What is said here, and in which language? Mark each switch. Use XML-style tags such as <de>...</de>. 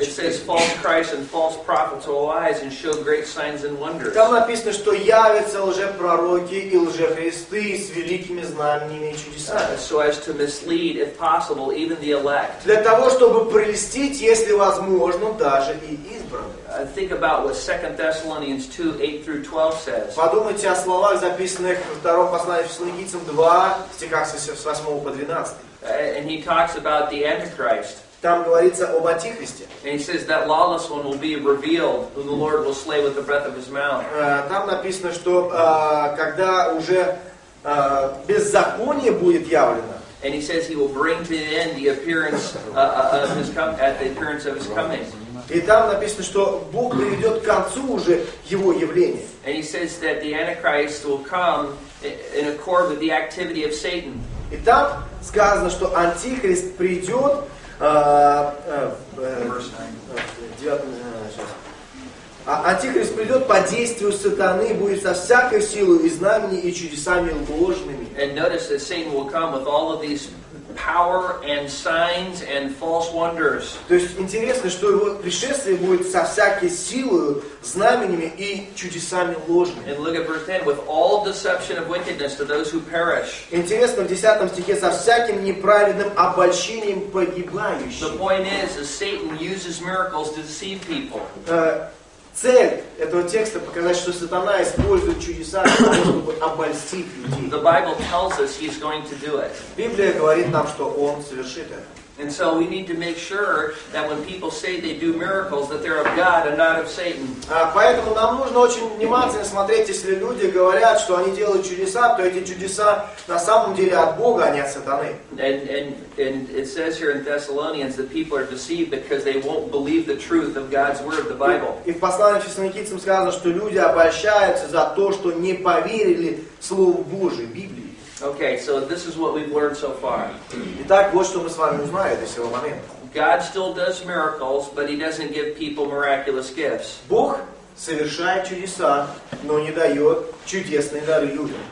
<en>It says, false Christ and false prophets will arise and show great signs and wonders.</en> <ru>Там написано, что явятся лжепророки и лжехристы с великими знамениями и чудесами.</ru> <en>So as to mislead, if possible, even the elect.</en> <ru>Для того, чтобы прельстить, если возможно, даже и избранных.</ru> <en>Think about what 2 Thessalonians 2:8-12 says.</en> <ru>Подумайте о словах, записанных во втором послании Фессалоникийцам 2, стихах с 8 по 12.</ru> <en>And he talks about the Antichrist.</en> <ru>Там говорится об Антихристе.</ru> <en>And he says that lawless one will be revealed, whom the Lord will slay with the breath of his mouth.</en> <ru>Там написано, что когда уже беззаконие будет явлено.</ru> <en>And he says he will bring to the end the appearance of his at the appearance of his coming.</en> <ru>И там написано, что Бог приведет к концу уже его явление.</ru> <en>And he says that the Antichrist will come in accord with the activity of Satan.</en> <ru>И там сказано, что Антихрист придет Антихрист придет по действию сатаны, будет со всякой силой и знамениями и чудесами ложными.</ru> <en>And notice that Satan will come with all of these power and signs and false wonders.</en> <ru>То есть интересно, что его пришествие будет со всякой силой, знамениями и чудесами ложными.</ru> <en>And look at verse 10, with all deception of wickedness to those who perish.</en> <ru>Интересно, в 10 стихе со всяким неправедным обольщением погибающим.</ru> <en>The point is that Satan uses miracles to deceive people.</en> <ru>Цель этого текста показать, что сатана использует чудеса для того, чтобы обольстить людей.</ru> <en>The Bible tells us he's going to do it.</en> <ru>Библия говорит нам, что он совершит это.</ru> <en>And so we need to make sure that when people say they do miracles, that they're of God and not of Satan.</en> <ru>Поэтому нам нужно очень внимательно смотреть, если люди говорят, что они делают чудеса, то эти чудеса на самом деле от Бога, а не от сатаны.</ru> <en>And it says here in Thessalonians that people are deceived because they won't believe the truth of God's word, the Bible.</en> <ru>И в послании к Фессалоникийцам сказано, что люди обольщаются за то, что не поверили Слову Божию, Библии.</ru> <en>Okay, so this is what we've learned so far.</en> <ru>Итак, вот что мы с вами узнали до сего момента.</ru> <en>God still does miracles, but he doesn't give people miraculous gifts.</en> <ru>Бог совершает чудеса, но не дает чудесные дары людям.</ru>